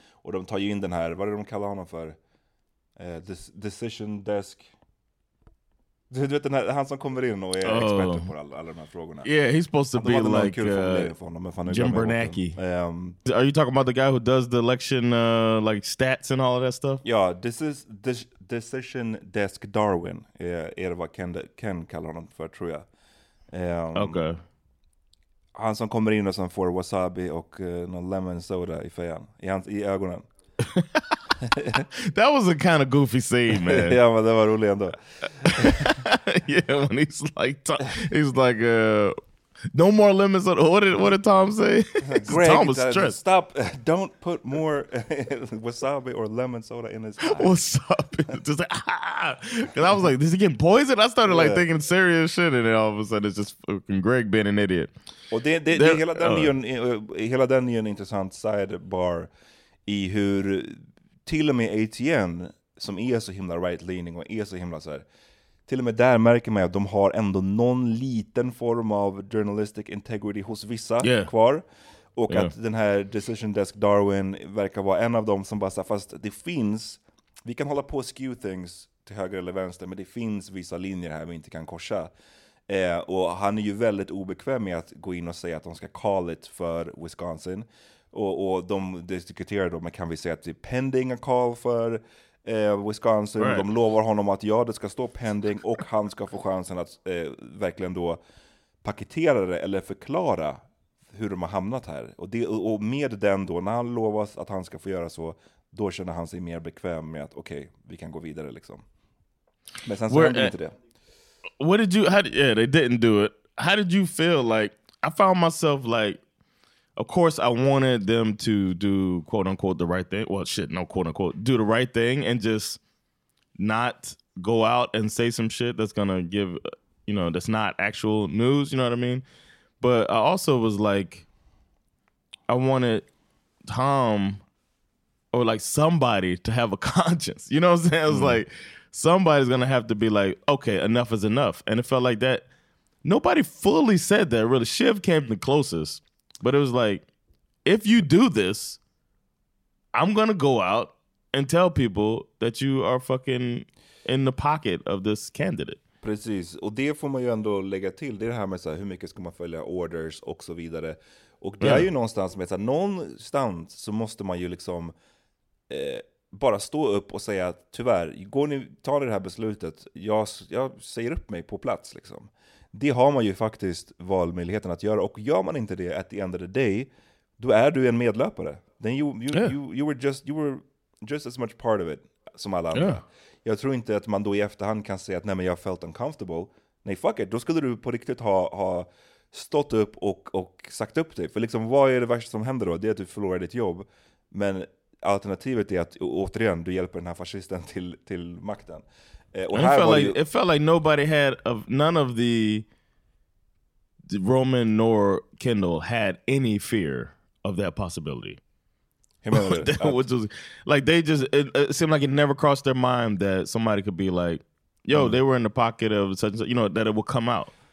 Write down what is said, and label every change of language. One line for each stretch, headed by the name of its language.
Swedish: Och de tar ju in den här, vad är det de kallar honom för? Decision desk. Du vet, den här, han som kommer in och är expert på alla de här frågorna.
English: Yeah, he's supposed to be like Jim Bernanke. Are you talking about the guy who does the election like stats and all of that stuff? Ja, this is Decision Desk Darwin.
Swedish: Är det vad Ken kallar honom för, tror jag.
English: Okay.
Swedish: Han som kommer in och som får wasabi och någon lemon soda i fejan. I ögonen.
English: That was a kind of goofy scene, man.
Swedish: Ja, men det var roligt ändå.
English: Yeah, when he's like no more limits on what did Tom say? Greg, Tom was stressed. Stop, don't put more wasabi or lemon soda in his eye. Wasabi. Just like, and I was like, is he getting poisoned? I started like thinking serious shit, and then all of a sudden it's just fucking Greg being an idiot.
Swedish: Och det hela den är hela den är en intressant sidebar i hur till och med ATN, som är så himla right-leaning och är så himla så här, till och med där märker man att de har ändå någon liten form av
English: journalistic integrity
Swedish: hos vissa kvar. Och att den här Decision Desk Darwin verkar vara en av dem som bara sa, fast det finns, vi kan hålla på och
English: skew things
Swedish: till höger eller vänster, men det finns vissa linjer här vi inte kan korsa. Och han är ju väldigt obekväm med att gå in och säga att de ska
English: call it
Swedish: för Wisconsin. Och de diskuterar då, men kan vi säga att det är
English: pending a call
Swedish: för Wisconsin. Right. De lovar honom att ja, det ska stå pending och han ska få chansen att verkligen då paketera det eller förklara hur de har hamnat här. Och, det, och med den då, när han lovas att han ska få göra så, då känner han sig mer bekväm med att okej, okay, vi kan gå vidare liksom. Men sen så händer inte det.
English: What did you, how, yeah, they didn't do it. How did you feel? Like, I found myself like, of course I wanted them to do quote unquote the right thing. Well, shit, no, quote unquote, do the right thing and just not go out and say some shit that's gonna give, you know, that's not actual news, you know what I mean? But I also was like, I wanted Tom or like somebody to have a conscience. You know what I'm saying? It was like, somebody's gonna have to be like, okay, enough is enough. And it felt like that. Nobody fully said that, really. Shiv came the closest. But it was like, if you do this, I'm gonna go out and tell people that you are fucking in the pocket of this candidate.
Swedish: Precis, och det får man ju ändå lägga till. Det är det här med så här, hur mycket ska man följa orders och så vidare. Och det är ju någonstans med så här, någonstans så måste man ju liksom bara stå upp och säga att tyvärr, går ni, tar ni det här beslutet, jag säger upp mig på plats liksom. Det har man ju faktiskt valmöjligheten att göra. Och gör man inte det
English: at the end of the day,
Swedish: då är du en medlöpare.
English: Then you were just as much part of it
Swedish: som alla andra. Jag tror inte att man då i efterhand kan säga att nej, men jag
English: felt uncomfortable.
Swedish: Nej, fuck it. Då skulle du på riktigt ha stått upp och sagt upp dig. För liksom, vad är det värsta som händer då? Det är att du förlorar ditt jobb. Men alternativet är att, återigen, du hjälper den här fascisten till makten.
English: It felt like nobody had, none of the Roman nor Kendall had any fear of that possibility. It seemed like it never crossed their mind that somebody could be like, yo, they were in the pocket of such and such, you know, that it would come out.